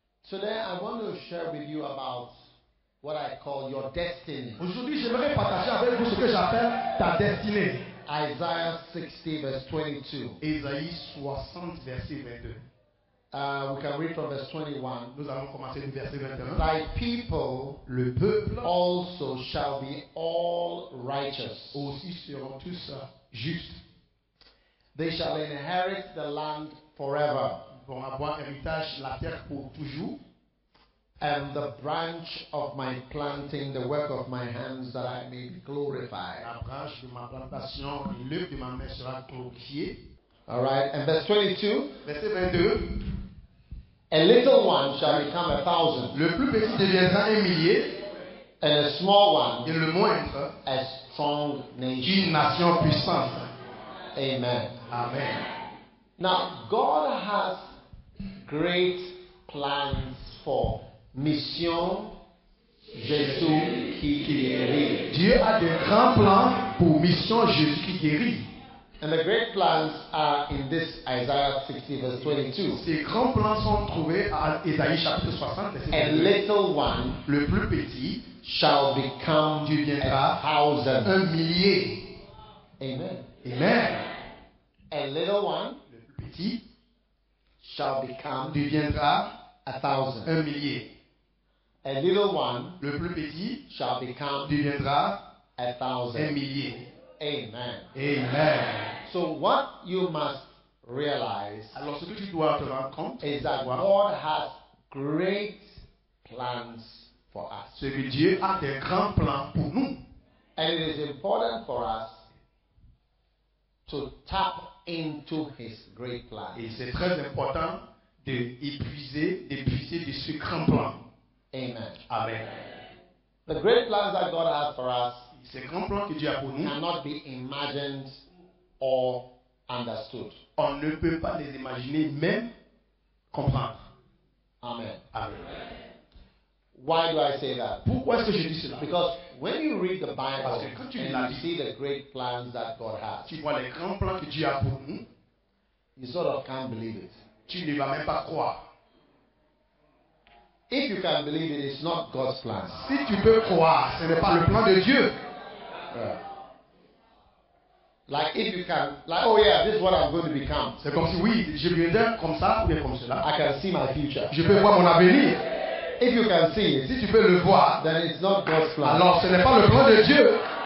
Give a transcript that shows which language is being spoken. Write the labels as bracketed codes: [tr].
[en] Today, I want to share with you about what I call your destiny. [fr] Aujourd'hui, j'aimerais partager avec vous ce que j'appelle ta destinée. [en] Isaiah 60, verse 22. [fr] Ésaïe 60, verset 22. [en] We can read from verse 21. [fr] Nous allons commencer du verset 21. [en] Thy people, [fr] le peuple, [en] also shall be all righteous. [fr] Aussi seront tous justes. [en] They shall inherit the land forever. [fr] Ils vont avoir héritage la terre pour toujours. [en] And the branch of my planting, the work of my hands, that I may be glorified. [fr] La branche de ma plantation, l'œuvre de ma main sera glorifiée. [en] All right, and verse 22. [fr] Verset 22. [en] A little one shall become a thousand. [fr] Le plus petit deviendra un millier. [en] And a small one. [fr] Et le moindre. [en] A strong nation. [fr] Une nation puissante. [en] Amen. [fr] Amen. [en] Now, God has great plans for mission Jésus qui guérit. [fr] Dieu a de grands plans pour mission Jésus qui guérit. [en] And the great plans are in this Isaiah 60 verse 22. [fr] Ces grands plans sont trouvés à Ésaïe chapitre 60 verset 22. [en] A little one, [fr] le plus petit, [en] shall become [fr] deviendra [en] a thousand, [fr] un millier. [en] Amen. [fr] Amen. [en] A little one, [fr] le plus petit, [en] shall become [fr] deviendra [en] a thousand, [fr] un millier. [en] A little one, [fr] le plus petit, [en] shall become [fr] deviendra [en] a thousand, [fr] un millier. [en] Amen. [fr] Amen. [en] So what you must realize, [fr] alors ce que tu dois te rendre compte, [en] is that God has great plans for us. [fr] C'est que Dieu a des grands plans pour nous. [en] And it is important for us to tap into His great plans. [fr] Et c'est très important de épuiser de ce grand plan. [en] Amen. [fr] Amen. [en] The great plans that God has for us. [fr] Ces grands plans que Dieu a pour nous [en] cannot be imagined or understood. [fr] On ne peut pas les imaginer, même comprendre. [en] Amen. [fr] Amen. [en] Why do I say that? [fr] Pourquoi est-ce que je dis cela? [en] Because when you read the Bible, [fr] parce que quand tu lis la Bible, [en] you see the great plans that God has. [fr] Tu vois les grands plans que Dieu a pour nous. [en] You sort of can't believe it. [fr] Tu ne vas même pas croire. [en] If you can believe it, it's not God's plan. [fr] Si tu peux croire, ce n'est pas le plan de Dieu. [en] Like if you can, like oh yeah, this is what I'm going to become. [fr] C'est comme si oui, je viens d'être comme ça ou bien comme cela. [en] I can see my future. [fr] Je peux voir mon avenir. [en] If you can see, [fr] si tu peux le voir, [en] then it's not God's plan. [fr] Alors ce n'est pas le plan de Dieu.